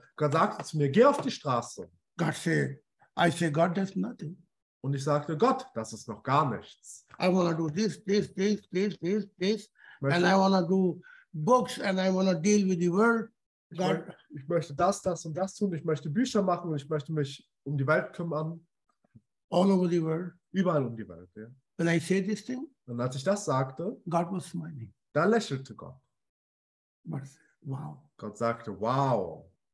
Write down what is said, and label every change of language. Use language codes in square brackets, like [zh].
[de] Gott sagte zu mir, geh auf die Straße. [en] God said, I say, God, that's nothing. [de] Und ich sagte, Gott, das ist noch gar nichts. [en] I want to do this. And I want to do books and I want to deal with the world. God. [de] Ich möchte das und das tun. Ich möchte Bücher machen und ich möchte mich um die Welt kümmern. [en] All over the world. [de] Überall um die Welt, ja. [en] When I say this thing, [de] und als ich das sagte, [en] God was smiling. [de] Da lächelte Gott. [en] But, wow. [de] Gott sagte, wow.